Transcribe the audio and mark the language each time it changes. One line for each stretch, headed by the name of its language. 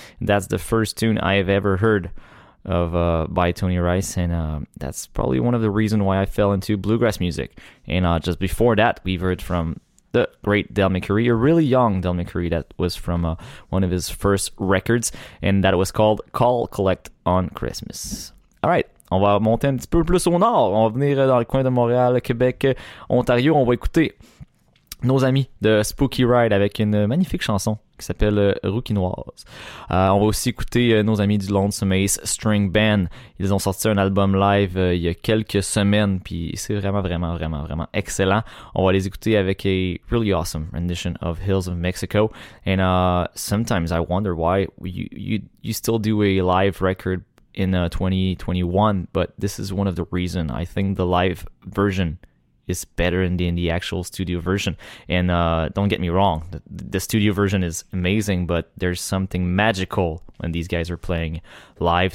English: That's the first tune I have ever heard of by Tony Rice, and that's probably one of the reasons why I fell into bluegrass music. And just before that, we've heard from the great Del McCurry, a really young Del McCurry. That was from one of his first records, and that was called Call Collect on Christmas. All right.
French: On va monter un petit peu plus au nord. On va venir dans le coin de Montréal, Québec, Ontario. On va écouter nos amis de Spooky Ride avec une magnifique chanson qui s'appelle Rouquinoise. On va aussi écouter nos amis du Lonesome Ace String Band. Ils ont sorti un album live il y a quelques semaines, puis c'est vraiment, vraiment, vraiment, vraiment excellent. On va les écouter avec
English: a really awesome rendition of Hills of Mexico. And sometimes I wonder why you still do a live record in 2021, but this is one of the reasons. I think the live version is better than the actual studio version. And don't get me wrong, the studio version is amazing, but there's something magical when these guys are playing live.